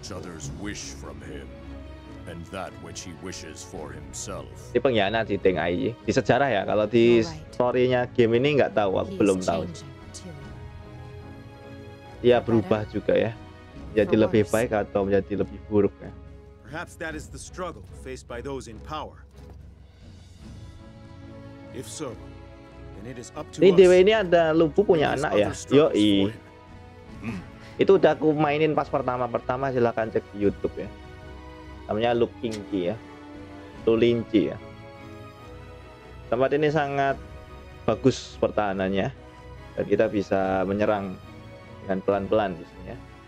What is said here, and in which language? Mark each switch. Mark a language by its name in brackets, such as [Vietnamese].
[English] Which others wish from him. And that which he wishes for himself. [Indonesian] Di pengkhianat di Teng Ai. Di sejarah ya, kalau di story-nya game ini enggak tahu, aku belum tahu. Dia berubah juga ya. Menjadi lebih baik atau menjadi lebih buruk ya. [English] Perhaps that is the struggle faced by those in power. If so, then it is up to us. [Indonesian] Ini Dewi ini ada lupu punya anak ya. Yoi. Itu udah aku mainin pas pertama-pertama, silakan cek di YouTube ya. Namanya Lukinki ya, Lulinci ya. Tempat ini sangat bagus pertahanannya dan kita bisa menyerang dengan pelan-pelan di sini ya.